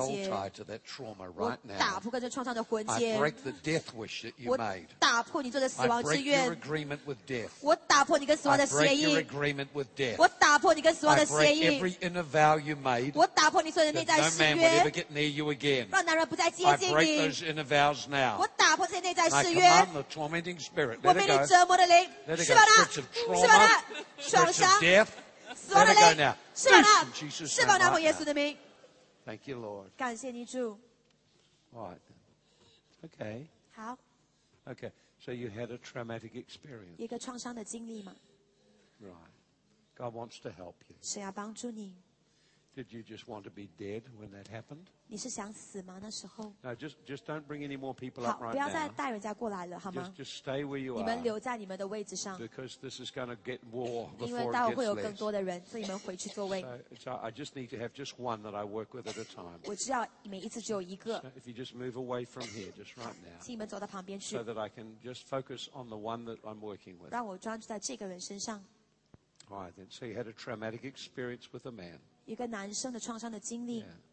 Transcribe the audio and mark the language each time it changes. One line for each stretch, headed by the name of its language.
English: I break the soul tie to that trauma right now.
Chinese: 我打破跟这创伤的魂结。
English: I break the death wish that you made.
Chinese: 我打破你做的死亡之愿。
English: I break your agreement with death.
Chinese: 我打破你跟死亡的协议。
English: I break your agreement with death.
Chinese: 打破你跟死亡的协议。
English: I break every inner vow you made.
Chinese: 我打破你所有的内在誓约。
English: That no man will ever get near you again.
Chinese: 让男人不再接近你。
English: I break those inner vows now.
Chinese: 我打破这些内在誓约。
English: I command the tormenting spirit. Let it go.
Chinese: 我命令折磨的灵。
English: Let it go. Spirits of trauma. Spirits of death.
Chinese: 死亡的灵。
English: Let it go now.
Chinese: 释放
English: 它。In Jesus' name.
Chinese: 释放它，奉耶稣的名。
English: Thank you, Lord.
Chinese: 感谢你主。
English: All right. Okay.
Chinese: 好。
English: Okay, so you had a traumatic experience.
Chinese: 一个创伤的经历吗？
English: Right. God wants to help you.
Chinese: 谁要帮助你？
English: Did you just want to be dead when that happened?
Chinese: 你是想死吗？那时候？
English: No, just don't bring any more people up right now.
Chinese: 不要再带人家过来了，好吗？
English: Just stay where you are.
Chinese: 你们留在你们的位置上。
English: Because this is going to get war before it gets less.
Chinese: 因为待会会有更多的人，所以你们回去座位。
English: So I just need to have just one that I work with at a time.
Chinese: 我只要每一次只有一个。
English: If you just move away from here, just right now.
Chinese: 请你们走到旁边去。
English: So that I can just focus on the one that I'm working with.
Chinese: 让我专注在这个人身上。
English: Right then, so you had a traumatic experience with a man.
Chinese: 一个男生的创伤的经历。